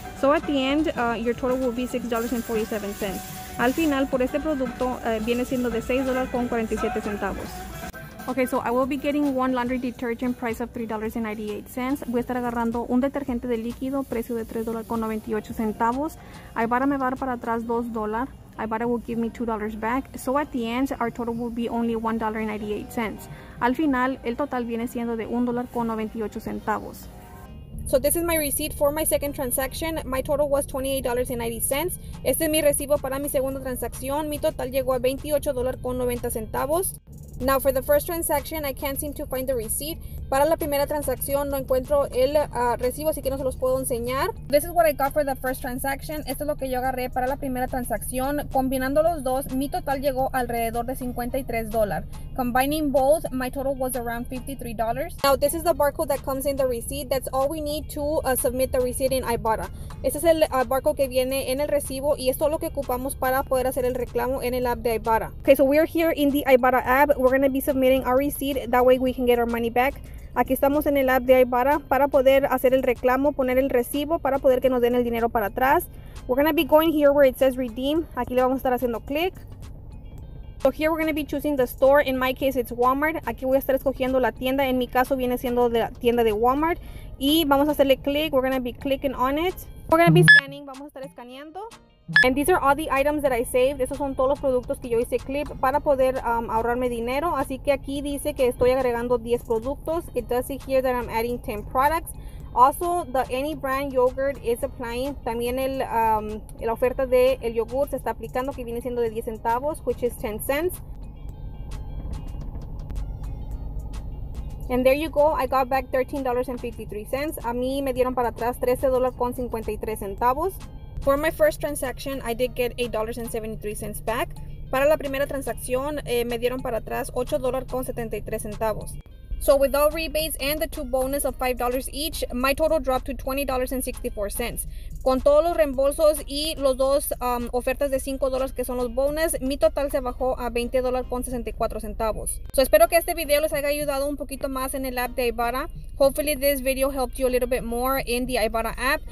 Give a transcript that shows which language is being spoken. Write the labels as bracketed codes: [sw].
[en] So at the end, your total will be $6.47. [es] Al final, por este producto, viene siendo de $6.47. [en] Okay, so I will be getting one laundry detergent price of $3.98. [es] Voy a estar agarrando un detergente de líquido precio de $3.98. Ibarra me va a dar para atrás $2. [en] Ibarra will give me $2 back. So at the end, our total will be only $1.98. [es] Al final, el total viene siendo de $1.98. [en] So this is my receipt for my second transaction. My total was $28.90. [es] Este es mi recibo para mi segunda transacción. Mi total llegó a $28.90. [en] Now for the first transaction, I can't seem to find the receipt. [es] Para la primera transacción no encuentro el recibo, así que no se los puedo enseñar. [en] This is what I got for the first transaction. [es] Esto es lo que yo agarré para la primera transacción. Combinando los dos, mi total llegó alrededor de $53. [en] Combining both, my total was around $53. Now this is the barcode that comes in the receipt. That's all we need to submit the receipt in Ibarra. [es] Este es el barcode que viene en el recibo y es todo lo que ocupamos para poder hacer el reclamo en el app de Ibarra. [en] Okay, so we are here in the Ibarra app. We're going to be submitting our receipt. That way we can get our money back. [es] Aquí estamos en el app de Ibarra para poder hacer el reclamo, poner el recibo para poder que nos den el dinero para atrás. [en] We're going to be going here where it says redeem. [es] Aquí le vamos a estar haciendo click. [en] So here we're going to be choosing the store. In my case it's Walmart. [es] Aquí voy a estar escogiendo la tienda. En mi caso viene siendo de la tienda de Walmart. Y vamos a hacerle click. [en] We're going to be clicking on it. We're going to be scanning. [es] Vamos a estar escaneando. [en] And these are all the items that I saved. [es] Esos son todos los productos que yo hice clip para poder ahorrarme dinero. Así que aquí dice que estoy agregando 10 productos. [en] It does say here that I'm adding 10 products. Also, the Any Brand Yogurt is applying. [es] También el la oferta de el yogur se está aplicando, que viene siendo de 10 centavos, [en] which is 10 cents. And there you go, I got back $13.53. [es] A mí me dieron para atrás $13.53. [en] For my first transaction, I did get $8.73 back. [es] Para la primera transacción, me dieron para atrás $8.73. [en] So with all rebates and the two bonus of $5 each, my total dropped to $20.64. [es] Con todos los reembolsos y los dos ofertas de $5 que son los bonus, mi total se bajó a $20.64. So espero que este video les haya ayudado un poquito más en el app de Ibarra. [en] Hopefully this video helped you a little bit more in the Ibarra app.